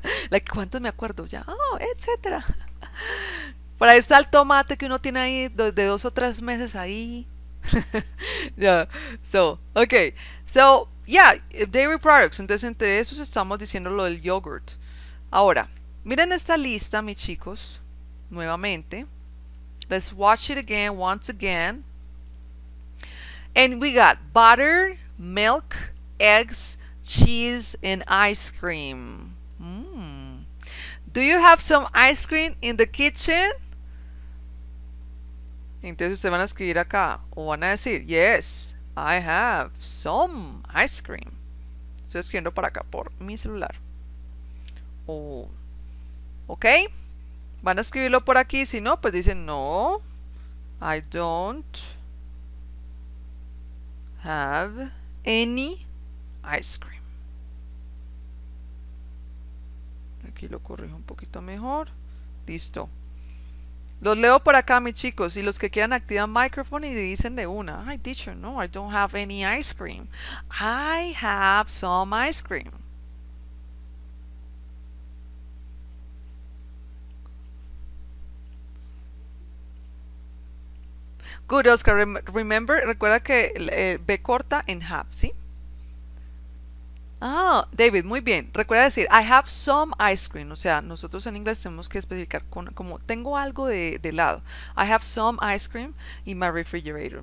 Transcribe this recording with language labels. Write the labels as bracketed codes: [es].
[es] Like, ¿cuántos me acuerdo ya? Oh, etcétera. Por ahí está el tomate que uno tiene ahí de 2 o 3 meses ahí. [en] Ya, yeah. So, okay. So, yeah, dairy products. [es] Entonces, entre esos estamos diciendo lo del yogurt. Ahora, miren esta lista, mis chicos. Nuevamente. [en] Let's watch it again, once again. And we got butter, milk, eggs, cheese, and ice cream. Do you have some ice cream in the kitchen? [es] Entonces ustedes van a escribir acá o van a decir, [en] yes, I have some ice cream. [es] Estoy escribiendo para acá por mi celular. Oh. ¿Ok? Van a escribirlo por aquí. Si no, pues dicen, no, [en] I don't have any ice cream. [es] Aquí lo corrijo un poquito mejor. Listo. Los leo por acá, mis chicos. Y los que quieran activan micrófono y dicen de una. [en] Ay, teacher, no, I don't have any ice cream. I have some ice cream. Good, Oscar. [es] Recuerda que B corta en have, ¿sí? Ah, David, muy bien. Recuerda decir, [en] I have some ice cream. [es] O sea, nosotros en inglés tenemos que especificar como tengo algo de helado. [en] I have some ice cream in my refrigerator.